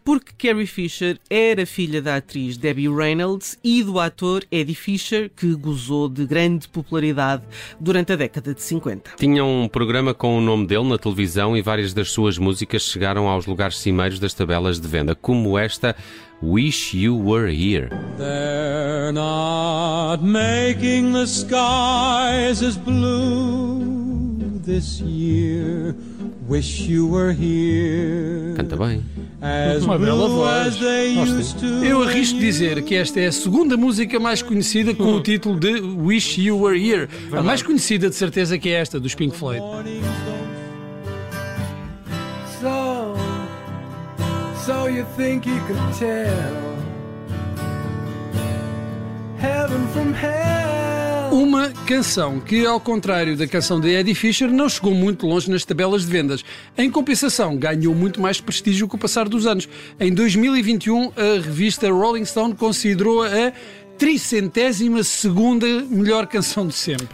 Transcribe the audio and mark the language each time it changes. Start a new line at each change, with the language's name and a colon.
Portuguese: Porque Carrie Fisher era filha da atriz Debbie Reynolds e do ator Eddie Fisher, que gozou de grande popularidade durante a década de 50. Tinha um programa com o nome dele na televisão e várias das suas músicas chegaram aos lugares cimeiros das tabelas de venda, como esta...
English: Wish You Were Here. They're not making the skies as blue this year. Wish you were here.
Portuguese: Canta bem. As uma bela voz. Eu arrisco dizer que esta é a segunda música mais conhecida com o título de Wish You Were Here. Verdade. A mais conhecida de certeza que é esta, dos Pink Floyd.
English: So you think you could tell heaven from hell.
Portuguese: Uma canção que, ao contrário da canção de Eddie Fisher, não chegou muito longe nas tabelas de vendas. Em compensação, ganhou muito mais prestígio com o passar dos anos. Em 2021, a revista Rolling Stone considerou-a a 32ª melhor canção de sempre.